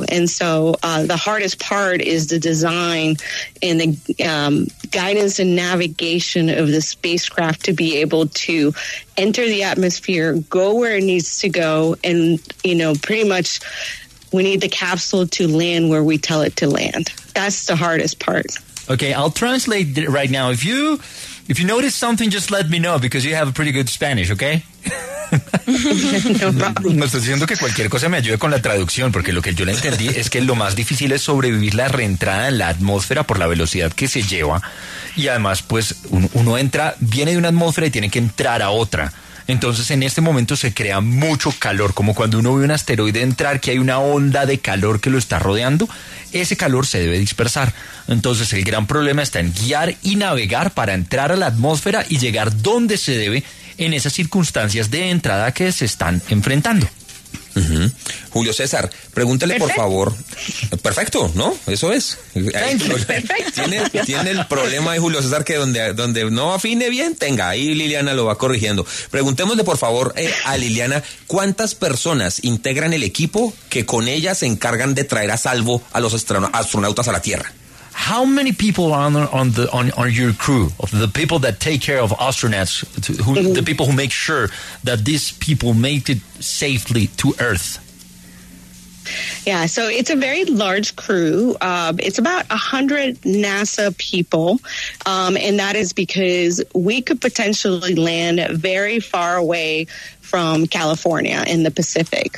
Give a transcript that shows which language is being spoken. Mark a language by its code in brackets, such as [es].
[en] And so the hardest part is the design and the guidance and navigation of the spacecraft to be able to enter the atmosphere, go where it needs to go, and, you know, pretty much we need the capsule to land where we tell it to land. That's the hardest part. Okay, I'll translate right now. If you notice something, just let me know because you have a pretty good Spanish, okay? [es] Me estás diciendo que cualquier cosa me ayude con la traducción, porque lo que yo le entendí es que lo más difícil es sobrevivir la reentrada en la atmósfera por la velocidad que se lleva. Y además, pues uno entra, viene de una atmósfera y tiene que entrar a otra. Entonces, en este momento se crea mucho calor, como cuando uno ve un asteroide entrar, que hay una onda de calor que lo está rodeando, ese calor se debe dispersar. Entonces, el gran problema está en guiar y navegar para entrar a la atmósfera y llegar donde se debe en esas circunstancias de entrada que se están enfrentando. Uh-huh. Julio César, pregúntele por favor. Perfecto, ¿no? Eso es. Perfecto. Tiene el problema de Julio César que donde no afine bien, tenga. Ahí Liliana lo va corrigiendo. Preguntémosle por favor a Liliana, ¿cuántas personas integran el equipo que con ella se encargan de traer a salvo a los astronautas a la Tierra? [en] How many people are on your crew, of the people that take care of astronauts, the people who make sure that these people make it safely to Earth? Yeah, so it's a very large crew. It's about 100 NASA people, and that is because we could potentially land very far away from California in the Pacific.